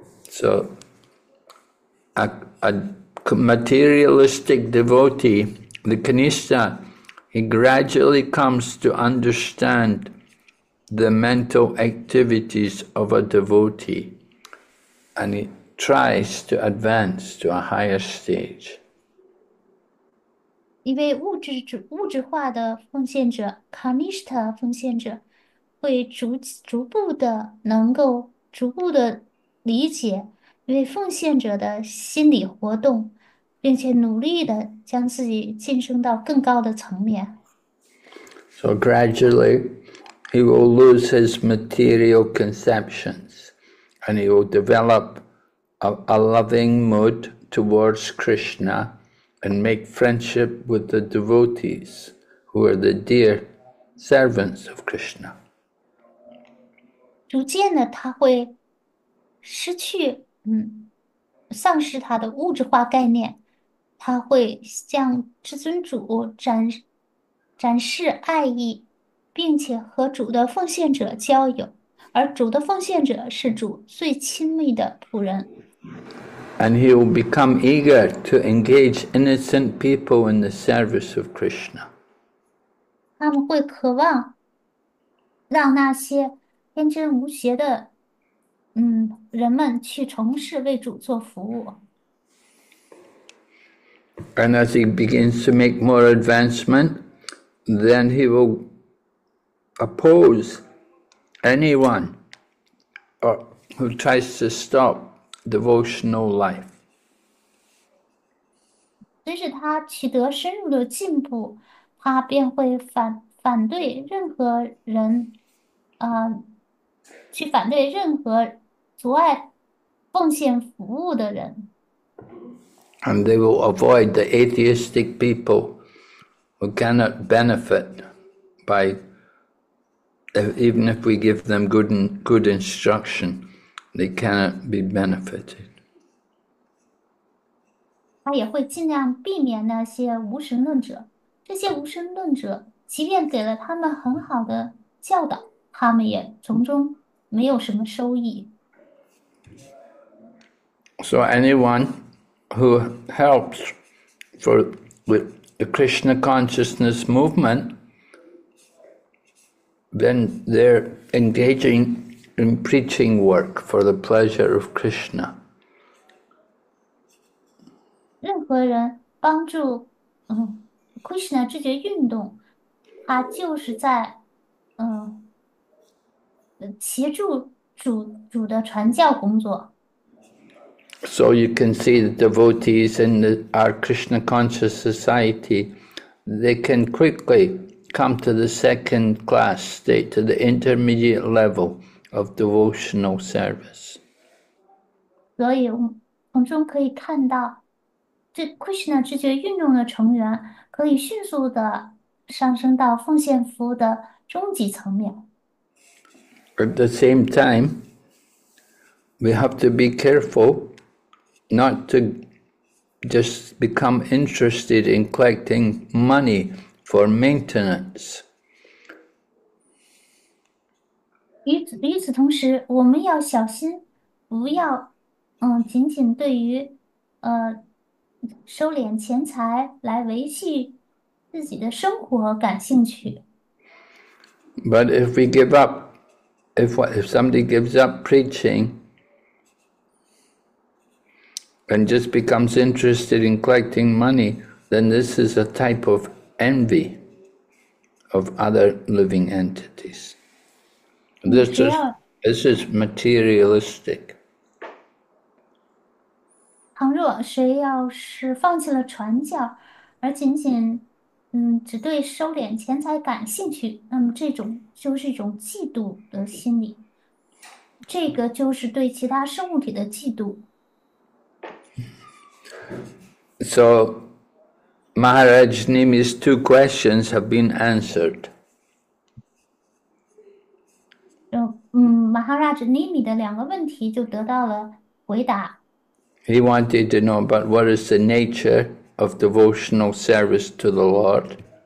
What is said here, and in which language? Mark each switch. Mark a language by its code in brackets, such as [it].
[en] So, a materialistic devotee, the Kanishka, he gradually comes to understand the mental activities of a devotee and he tries to advance to a higher stage. [zh] 一位物质化的奉献者，Kanishta 奉献者，会逐步的理解一位奉献者的心理活动，并且努力的将自己晋升到更高的层面。 [en] So gradually, he will lose his material conceptions and he will develop a loving mood towards Krishna and make friendship with the devotees who are the dear servants of Krishna. [zh] 逐渐的，他会失去，丧失他的物质化概念，他会向至尊主展示爱意，并且和主的奉献者交友，而主的奉献者是主最亲密的仆人。 [en] And he will become eager to engage innocent people in the service of Krishna. [zh] 他们会渴望让那些天真无邪的，人们去从事为主做服务。 [en] And as he begins to make more advancement, then he will oppose anyone who tries to stop devotional life. [zh] 随着他取得深入的进步，他便会反对任何人，去反对任何阻碍奉献服务的人。 [en] And they will avoid the atheistic people who cannot benefit by, even if we give them good instruction, they cannot be benefited. [zh] 他也会尽量避免那些无神论者，这些无神论者，即便给了他们很好的教导，他们也从中没有什么收益。 [en] So anyone who helps for with the Krishna consciousness movement, then they're engaging in preaching work for the pleasure of Krishna. [zh] 任何人帮助Krishna 这些运动，他就是在协助主的传教工作。 [en] So you can see the devotees in our Krishna conscious society, they can quickly come to the second class state, to the intermediate level of devotional service. [zh] 所以，我们从中可以看到，这 Krishna 这些运动的成员可以迅速的上升到奉献服务的中级层面。 [en] At the same time, we have to be careful not to just become interested in collecting money for maintenance. [zh] 与此同时，我们要小心，不要仅仅对于收敛钱财来维系自己的生活感兴趣。 [en] But if we give up, if somebody gives up preaching and just becomes interested in collecting money, then this is a type of envy of other living entities. [zh] 你 [en] This [zh] 是 [en] is [zh] 要 [en] materialistic. [zh] 倘若谁要是放弃了传教，而仅仅只对收敛钱财感兴趣，那么这种就是一种嫉妒的心理，这个就是对其他生物体的嫉妒。 [en] So, Maharaj Nimi's two questions have been answered. [zh] Maharaj Nimi 的两个问题就得到了回答。 [en] He wanted to know about what is the nature of devotional service to the Lord.